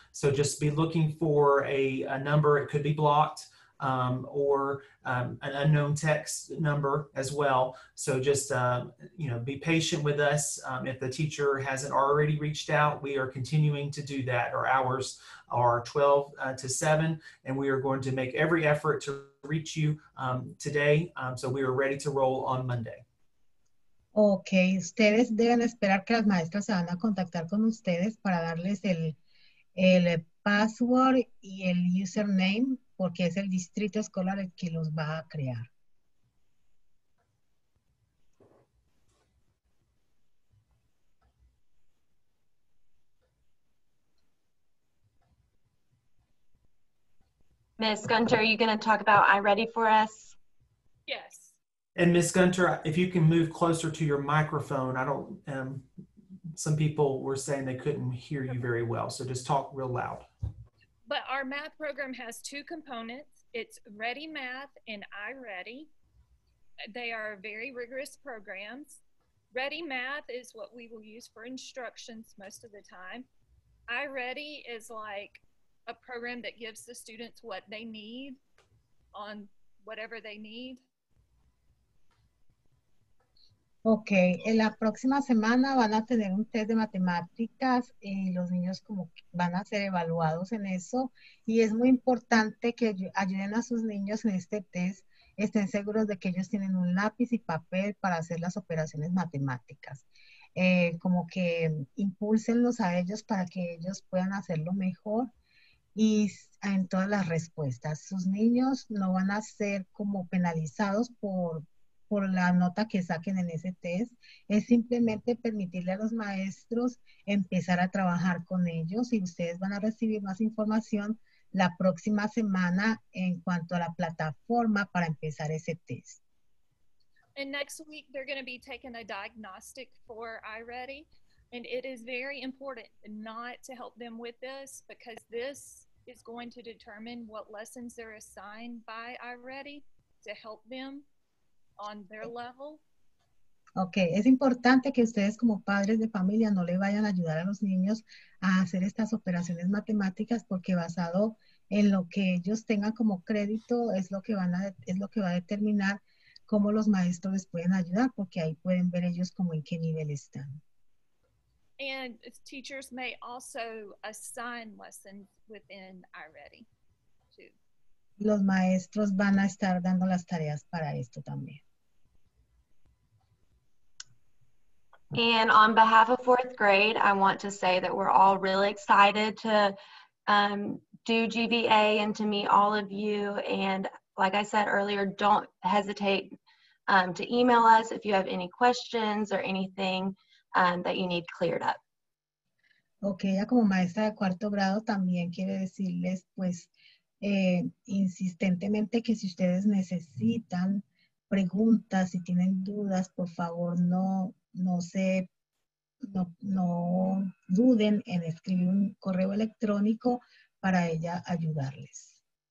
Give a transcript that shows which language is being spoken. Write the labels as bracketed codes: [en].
[en] So just be looking for a number. It could be blocked or an unknown text number as well. So just be patient with us. If the teacher hasn't already reached out, we are continuing to do that. Our hours are 12 to 7, and we are going to make every effort to reach you today. So we are ready to roll on Monday. [es] Ok, ustedes deben esperar que las maestras se van a contactar con ustedes para darles el password y el username porque es el distrito escolar el que los va a crear. [en] Ms. Gunter, are you going to talk about iReady for us? Yes. And Ms. Gunter, if you can move closer to your microphone, I don't, some people were saying they couldn't hear you very well, so just talk real loud. But our math program has two components. It's Ready Math and iReady. They are very rigorous programs. Ready Math is what we will use for instructions most of the time. iReady is like a program that gives the students what they need on whatever they need. [es] Ok, en la próxima semana van a tener un test de matemáticas y los niños como van a ser evaluados en eso. Y es muy importante que ayuden a sus niños en este test, estén seguros de que ellos tienen un lápiz y papel para hacer las operaciones matemáticas. Como que impúlsenlos a ellos para que ellos puedan hacerlo mejor y en todas las respuestas. Sus niños no van a ser como penalizados por la nota que saquen en ese test, es simplemente permitirle a los maestros empezar a trabajar con ellos y ustedes van a recibir más información la próxima semana en cuanto a la plataforma para empezar ese test. [en] And next week they're going to be taking a diagnostic for iReady, and it is very important not to help them with this because this is going to determine what lessons they're assigned by iReady to help them on their level. [es] Okay, es importante que ustedes como padres de familia no le vayan a ayudar a los niños a hacer estas operaciones matemáticas porque basado en lo que ellos tengan como crédito es lo que va a determinar cómo los maestros les pueden ayudar porque ahí pueden ver ellos como en qué nivel están. [en] And teachers may also assign lessons within iReady too. [es] Los maestros van a estar dando las tareas para esto también. [en] And on behalf of fourth grade, I want to say that we're all really excited to do GVA and to meet all of you. And like I said earlier, don't hesitate to email us if you have any questions or anything that you need cleared up. [es] Okay, ya como maestra de cuarto grado, también quiero decirles, pues, insistentemente que si ustedes necesitan preguntas, si tienen dudas, por favor, no duden en escribir un correo electrónico para ella ayudarles.